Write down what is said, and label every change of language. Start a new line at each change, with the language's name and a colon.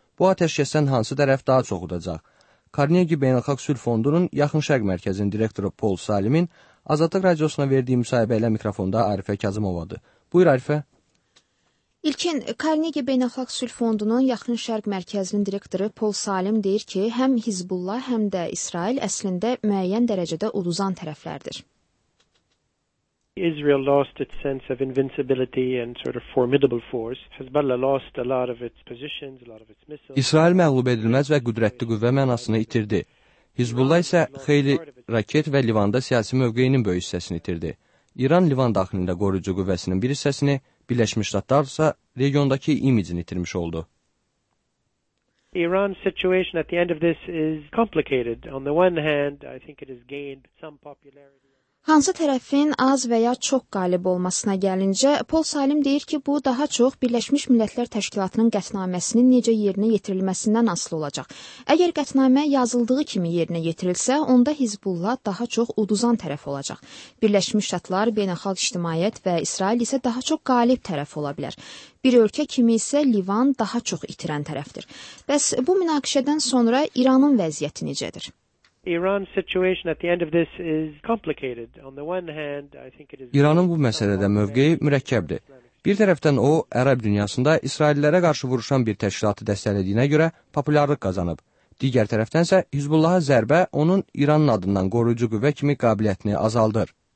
Azerbaijani: Bu atəşkəsdən hansı tərəf daha çox udacaq? Carnegie Beynəlxalq Sülh Fondunun Yaxın Şərq Mərkəzinin direktoru Paul Salimin Azadlıq Radiosuna verdiyi müsahibə ilə mikrofonda Arifə Kazımovadır. Buyur Arifə. İlkin, Carnegie Beynəlxalq Sülh Fondunun Yaxın Şərq Mərkəzinin direktoru Paul Salim deyir ki, həm Hizbullah, həm də İsrail əslində müəyyən dərəcədə uduzan tərəflərdir.
English: Israel lost its sense of invincibility and sort of formidable force. Hezbollah lost a lot of its positions, a lot of its missiles.
Azerbaijani: İsrail məğlub edilməz və qüdrətli qüvvə mənasını itirdi. Hizbullah isə xeyli raket və Livanda siyasi mövqeyinin böyük hissəsini itirdi. İran Livan daxilində qoruyucu qüvvəsinin bir hissəsini, Birləşmiş Ştatlar isə regiondakı imicini itirmiş oldu.
English: Iran's situation at the end of this is complicated. On the one hand, I think it has gained some popularity.
Azerbaijani: Hansı tərəfin az və ya çox qalib olmasına gəlincə, Paul Salim deyir ki, bu daha çox Birləşmiş Millətlər Təşkilatının qətnaməsinin necə yerinə yetirilməsindən asılı olacaq. Əgər qətnamə yazıldığı kimi yerinə yetirilsə, onda Hizbullah daha çox uduzan tərəf olacaq. Birləşmiş Ştatlar, beynəlxalq ictimaiyyət və İsrail isə daha çox qalib tərəf ola bilər. Bir ölkə kimi isə Livan daha çox itirən tərəfdir. Bəs bu münaqişədən sonra İranın vəziyyəti necədir?
English: Iran's situation at the end of this is complicated. On the one hand, I think it is
Azerbaijani: İranın bu məsələdə mövqeyi mürəkkəbdir. Bir tərəfdən o, Ərəb dünyasında İsraillərə qarşı vuruşan bir təşkilatı dəstəklədiyinə görə populyarlıq qazanıb. Digər tərəfdən isə Hizbullaha zərbə onun İranın adından qoruyucu qüvvə kimi qabiliyyətini azaldır.